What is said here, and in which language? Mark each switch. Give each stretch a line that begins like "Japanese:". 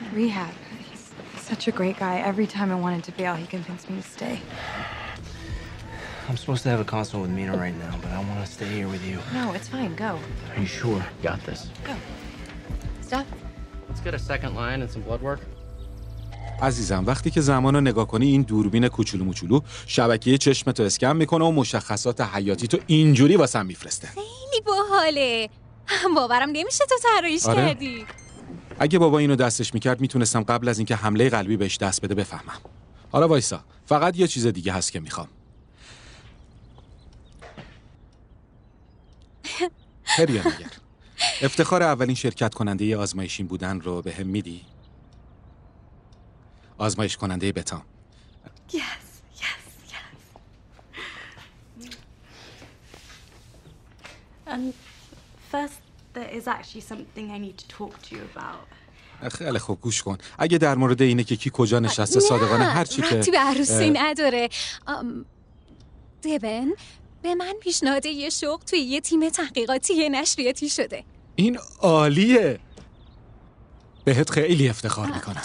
English: Rehab. He's such a great guy. Every time I wanted to bail, he convinced me to stay. I'm supposed to have a consult with Mina right now, but I want to stay here with you. No, it's fine. Go. Are you sure? Got this. Go. Stop. Let's get a second line and some blood work.
Persian: عزیزم وقتی که زمان رو نگاه کنی این دوربین کوچولو موچولو شبکیه چشمت رو اسکن میکنه و مشخصات حیاتی تو اینجوری واسه هم میفرسته. خیلی باحاله. باورم نمیشه تو طراحیش کردی. اگه بابا اینو دستش میکرد میتونستم قبل از اینکه حمله قلبی بهش دست بده بفهمم. حالا وایسا. فقط یه چیز دیگه هست که میخوام. هریان اگر افتخار اولین شرکت کننده ی آزمایشین بودن رو به هم میدی؟ آزمایش کننده ی بتام.
English: Yes, yes, yes. And first, there is actually something I need to talk to you about.
Persian: خیلی خوب گوش کن. اگه در مورد اینه که کی کجا نشسته صادقانه هرچی که... نه، ربطی به عروسی نداره. دیبن؟ به من پیشنهاد یه شغل توی یه تیم تحقیقاتی نشریاتی شده. این عالیه. بهت خیلی افتخار میکنم.